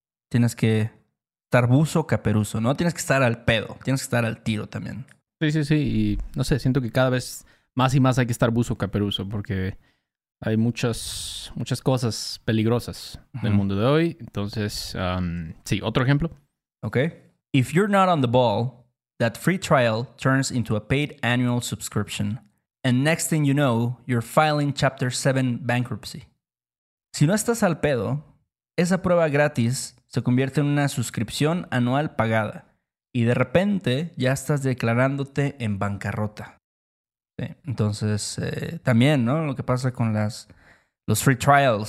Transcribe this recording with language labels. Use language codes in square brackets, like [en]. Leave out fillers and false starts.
[es] Tienes que estar buzo, caperuso, ¿no? Tienes que estar al pedo. Tienes que estar al tiro también. Sí, sí, sí. Y no sé, siento que cada vez más y más hay que estar buzo, caperuso, porque hay muchas cosas peligrosas en el mundo de hoy. Entonces, sí, otro ejemplo. Ok. [en] If you're not on the ball, that free trial turns into a paid annual subscription. And next thing you know, you're filing Chapter 7 bankruptcy. [es] Si no estás al pedo, esa prueba gratis se convierte en una suscripción anual pagada. Y de repente ya estás declarándote en bancarrota. Sí. Entonces, también, ¿no? Lo que pasa con los free trials.